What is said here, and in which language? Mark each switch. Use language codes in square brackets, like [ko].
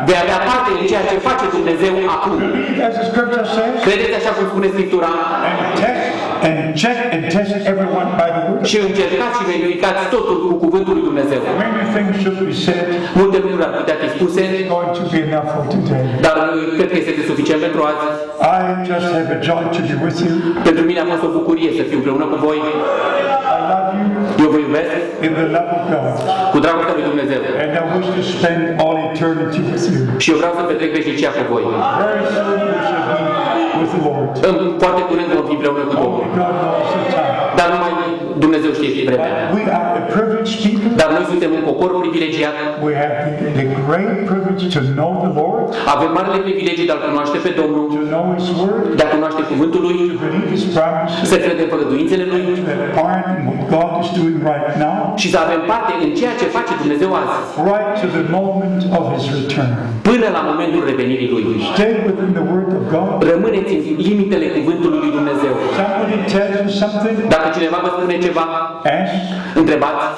[ro] Vei avea parte din ceea ce face Dumnezeu acum. [en] Believe as the scripture says. [ro] Credeți așa cum spune Scriptura. [en] And test and check and test everyone by the word. [ro] Și încercați și verificați totul cu cuvântul lui Dumnezeu. [en] Many things should be said. [ro] Multe lucruri ar putea fi spuse. [en] Going to be enough for today. [ro] Dar cred că este suficient pentru azi. [en] I just have a joy to be with you. [ro] Pentru mine am fost o bucurie să fiu împreună cu voi. [en] I love you. [ro] Eu vă iubesc. [en] In the love of God. [ro] Cu dragostea lui Dumnezeu. [en] And I wish to spend all eternity with you. [ro] Și eu vreau să petrec veșnicia cu voi. [en] Very soon you shall be with the Lord. [ro] Foarte curând vom fi împreună cu Domnul. [en] Only God knows the time. [ro] Dar numai Dumnezeu știe vremea. [en] We are a privileged people. [ro] Dar noi suntem un popor privilegiat. [en] We have the great privilege to know the Lord. [ro] Avem marele privilegiu de a-L cunoaște pe Domnul. [en] To know His word. [ro] De a cunoaște cuvântul Lui. [en] To believe His promises. [ro] Să credem făgăduințele Lui. [en] Part in what God is doing right now. [ro] Și să avem parte în ceea ce face Dumnezeu azi. [en] Right to the moment of His return. [ro] Până la momentul revenirii Lui. [en] Stay within the word of God. [ro] Rămâneți în limitele cuvântului Lui Dumnezeu. [en] Somebody tells you something. [ro] Dacă cineva vă spune ceva, întrebați.